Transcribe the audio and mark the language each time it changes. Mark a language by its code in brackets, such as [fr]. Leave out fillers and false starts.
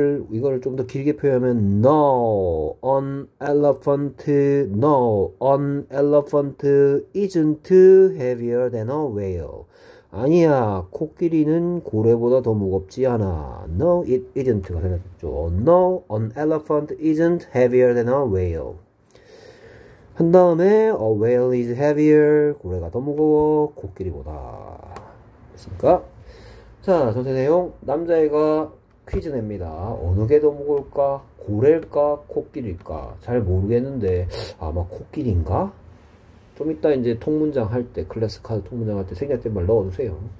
[ko] 이걸 좀더 길게 표현하면 [en] No, an elephant, no, an elephant isn't heavier than a whale. [ko] 아니야, 코끼리는 고래보다 더 무겁지 않아. [en] No, it isn't가 [ko] 생각했죠. [en] No, an elephant isn't heavier than a whale. [ko] 한 다음에 [en] a whale is heavier. [ko] 고래가 더 무거워, 코끼리보다. 됐습니까? 자, 전체 내용 남자애가 퀴즈 냅니다. 어느 게더 무거울까? 고래일까? 코끼리일까? 잘 모르겠는데 아마 코끼리인가? 좀 이따 이제 통문장 할 때, 클래스 카드 통문장 할때 생략된 말 넣어주세요.